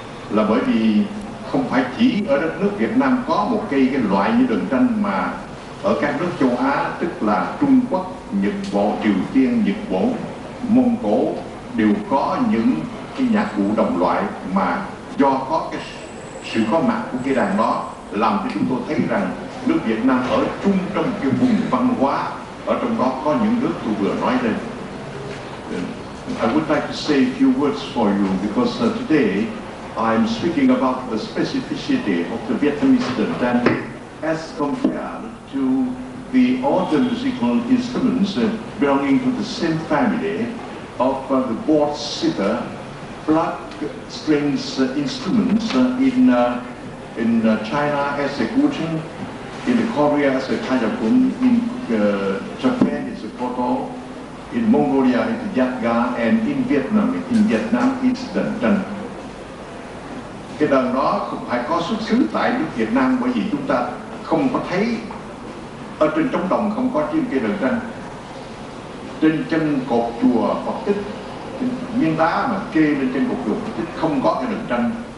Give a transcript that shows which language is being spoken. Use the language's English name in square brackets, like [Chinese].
[Vietnamese] là bởi vì không phải chỉ ở đất nước Việt Nam có một cái loại như đàn tranh mà ở các nước châu Á, tức là Trung Quốc, Nhật Bản, Triều Tiên, Nhật Bản, Mông Cổ đều có những cái nhạc cụ đồng loại mà do có cái sự có mặt của cái đàn đó làm cho chúng tôi thấy rằng nước Việt Nam ở trung tâm cái vùng văn hóa, ở trong đó có những nước tôi vừa nói lên. [English] I would like to say a few words for you because today I'm speaking about the specificity of the Vietnamese dân tranh as compared to the other musical instruments belonging to the same family of the board sitar, flat strings instruments in China as a guzheng, in Korea as a kajabun, in Japan as a koto, in Mongolia as a yatga, and in Vietnam is the dân. [Vietnamese] Cái đàn đó không phải có xuất xứ tại nước Việt Nam, bởi vì chúng ta không có thấy ở trên trống đồng, không có trên cái đàn tranh trên chân cột chùa Phật Tích, miếng đá mà kê lên trên cột chùa Phật Tích không có cái đàn tranh.